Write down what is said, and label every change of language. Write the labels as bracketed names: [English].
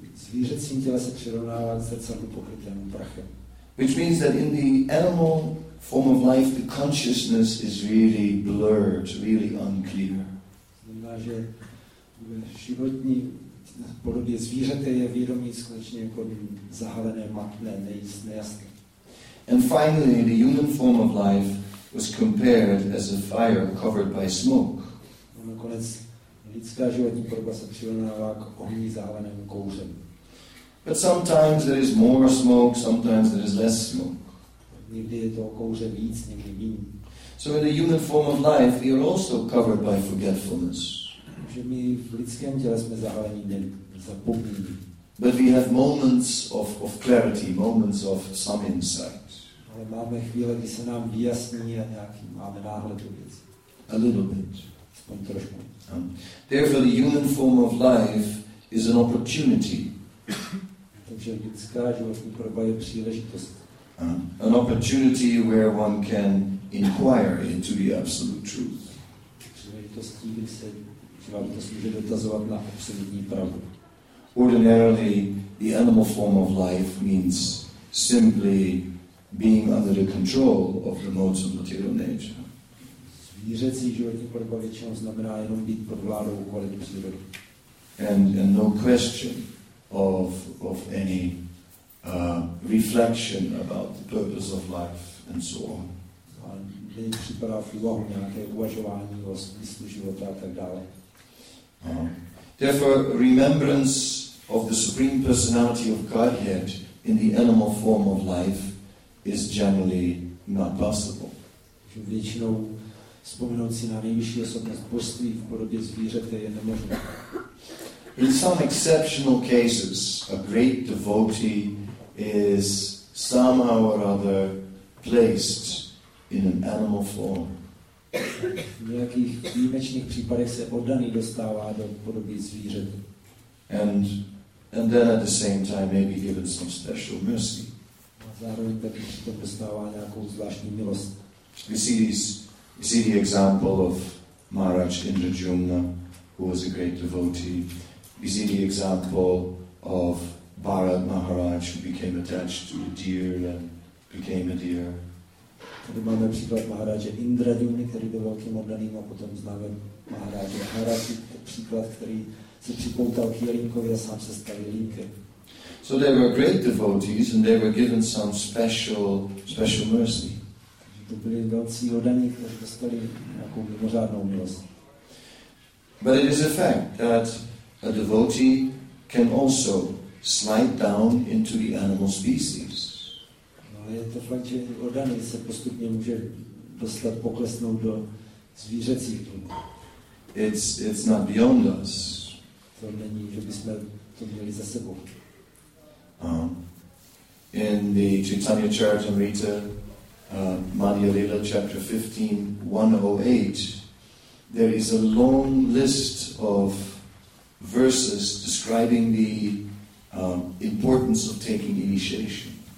[Czech] Zvířecím těle se přirovnává k zrcadlu pokrytému prachem. [English] Which means that in the animal form of life the consciousness is really blurred, really unclear. [Czech] Znamená, že v životní podobě zvířete je vědomí skutečně jako zahalené, matné, nejasné. [English] And finally the human form of life was compared as a fire covered by smoke. [Czech] A nakonec lidská životní podoba se přirovnává k ohni zahalenému kouřem. [English] But sometimes there is more smoke, sometimes there is less smoke. [Czech] Někdy je toho kouře víc, někdy méně. [English] So in the human form of life, we are also covered by forgetfulness. [Czech] Že my v lidském těle jsme zahalení zapomnění. [English] But we have moments of clarity, moments of some insight. [Czech] Ale máme chvíle, kdy se nám vyjasní a nějaký máme náhled do věcí. [English] A little bit. [Czech] Aspoň trošku. [English] Therefore, the human form of life is an opportunity. [Czech] Takže lidská životní podoba je příležitost. [English] An opportunity where one can inquire into the absolute truth. [Czech] Příležitostí, kdy se člověk může dotazovat na absolutní pravdu. [English] Ordinarily, the animal form of life means simply being under the control of the modes of material nature. [Czech] Zvířecí životní podoba většinou znamená jenom být pod vládou kvalitou přírody. [English] And no question of any reflection about the purpose of life and so on. [Czech] A není připadá v úvahu nějaké uvažování o smyslu života a tak dále. [English] Therefore, remembrance of the Supreme Personality of Godhead in the animal form of life is generally not possible. [Czech] Většinou vzpomínat si na nejvyšší osobnost božství v podobě zvířete je nemožné. [English] In some exceptional cases, a great devotee is somehow or other placed in an animal form. [Czech] V nějakých výjimečných případech se oddaný dostává do podoby zvířete. [English] And then at the same time maybe given some special mercy. [Czech] A zároveň taky to dostává nějakou zvláštní milost. [English] We see the example of Maharaj Indrajumna, who was a great devotee. We see the example of Bharat Maharaj, who became attached to a deer and became a deer. [Czech] Tady máme příklad Maharaje Indrajumny, který byl velkým oddaným, a potom známe Maharaje Maharaji, příklad, který se připoutal k jelínkovi a sám se stal jelínkem. [English] So they were great devotees and they were given some special mercy. [Czech] To byli velcí oddaní, kteří dostali nějakou mimořádnou milost. [English] But it is a fact that a devotee can also slide down into the animal species. [Czech] Je to fakt, že oddaný se postupně může dostat poklesnout do zvířecích tlumů. [English] It's not beyond us. [Czech] To není, že bychom to měli za sebou. [English] In the Chaitanya Charitamrita, Madhya Lila, chapter 15:108, there is a long list of verses describing the importance of taking initiation.